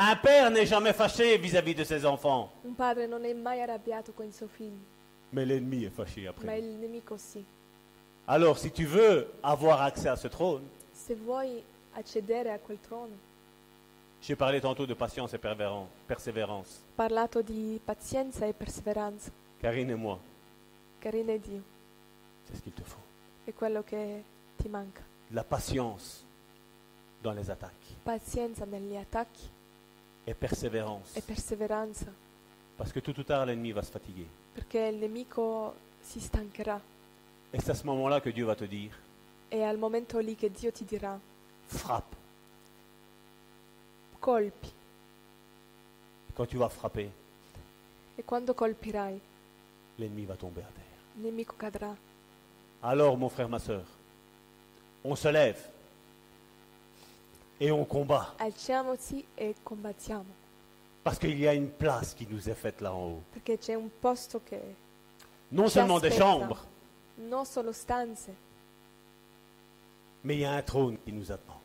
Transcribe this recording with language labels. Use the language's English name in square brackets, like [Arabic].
[French] Un père n'est jamais fâché vis-à-vis de ses enfants. [Italian] Un padre non è mai arrabbiato con i suoi figli. [French] Mais l'ennemi est fâché après. [Italian] Ma il nemico sì. [French] Alors, si tu veux avoir accès à ce trône. [Italian] Se vuoi accedere a quel trono. [French] J'ai parlé tantôt de patience et persévérance. [Italian] Parlato di pazienza e perseveranza. [French] Karine et moi. [Italian] Karine et Dio. [French] C'est ce qu'il te faut. [Italian] È quello che ti manca. [French] La patience dans les attaques. [Italian] Pazienza negli attacchi. [French] Et persévérance. [Italian] E perseveranza. [French] Parce que tout ou tard l'ennemi va se fatiguer. [Italian] Perché il nemico si stancherà. [French] Et c'est à ce moment-là que Dieu va te dire. [Italian] È al momento lì che Dio ti dirà. [French] Frappe. [Italian] Colpi. [French] Et quand tu vas frapper. [Italian] E quando colpirai. [French] L'ennemi va tomber à terre. [Italian] Il nemico cadrà. [French] Alors, mon frère, ma sœur, on se lève et on combat. [Italian] Alziamoci e combattiamo. [French] Parce qu'il y a une place qui nous est faite là en haut. [Italian] Perché c'è un posto che [French] non seulement des chambres. [Italian] Non solo stanze. [French] Mais il y a un trône qui nous attend.